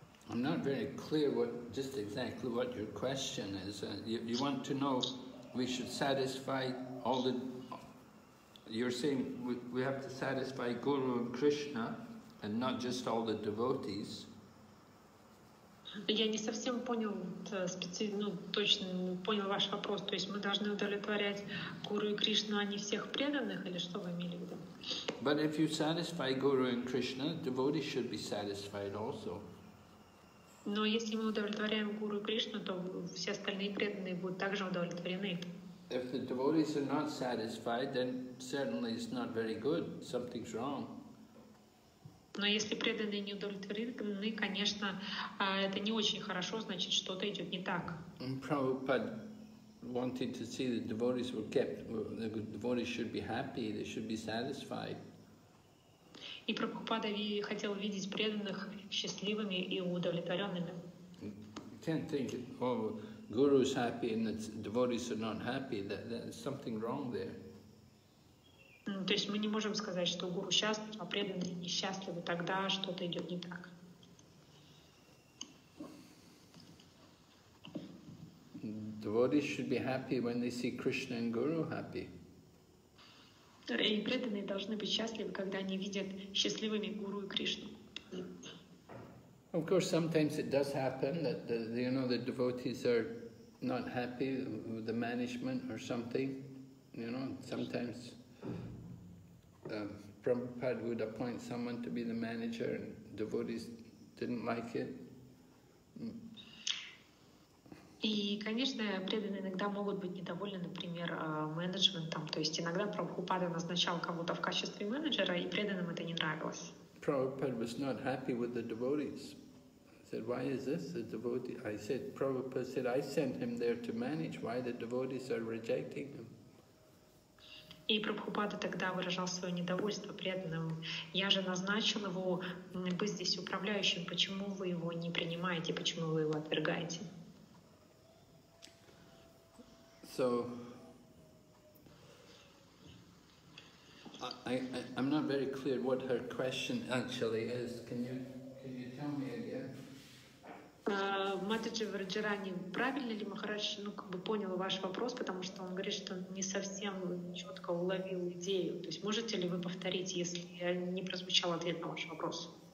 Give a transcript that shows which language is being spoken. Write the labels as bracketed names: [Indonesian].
[English] I'm not very clear what your question is. You want to know we should satisfy all the... You're saying we have to satisfy Guru and Krishna and not just all the devotees. [Russian] Я не совсем понял специально, точно понял ваш вопрос. То есть мы должны удовлетворять Гуру и Кришну, а не всех преданных, или что вы имели в виду? [English] But if you satisfy Guru and Krishna, devotees should be satisfied also. [Russian] Но если мы удовлетворяем Гуру и Кришну, то все остальные преданные будут также удовлетворены. [English] If the devotees are not satisfied, then certainly it's not very good. Something's wrong. [Russian] Но если преданные не удовлетворены, конечно, это не очень хорошо, значит, что-то идет не так. [English] Prabhupada wanted to see that devotees were kept. The devotees should be happy. They should be satisfied. [Russian] И Прабхупада хотел видеть преданных счастливыми и удовлетворенными. [English] Can't think it. Oh, Guru is happy and the devotees are not happy. There's something wrong there. [Russian] То есть мы не можем сказать, что Гуру счастлив, а преданные несчастливы. Тогда что-то идет не так. [English] Devotees should be happy when they see Krishna and Guru happy. [Russian] И преданные должны быть счастливы, когда они видят счастливыми Гуру и Кришну. [English] Of course, sometimes it does happen that the devotees are not happy with the management or something. You know, sometimes Prabhupada would appoint someone to be the manager and devotees didn't like it. [Russian] И, конечно, преданные иногда могут быть недовольны, например, менеджментом. То есть иногда Прабхупада назначал кого-то в качестве менеджера, и преданным это не нравилось. [English] Prabhupada was not happy with the devotees. He said, why is this the devotee? Prabhupada said, I sent him there to manage. Why the devotees are rejecting him? [Russian] И Прабхупада тогда выражал свое недовольство преданным. Я же назначил его быть здесь управляющим. Почему вы его не принимаете? Почему вы его отвергаете? [English] So, I'm not very clear what her question actually is. Can you tell me again? [Russian] Матаджи Варджарани, правильно ли Махарадж, ну, как бы понял ваш вопрос, потому что он говорит, что не совсем четко уловил идею. То есть можете ли вы повторить, если я не прозвучал ответ на ваш вопрос?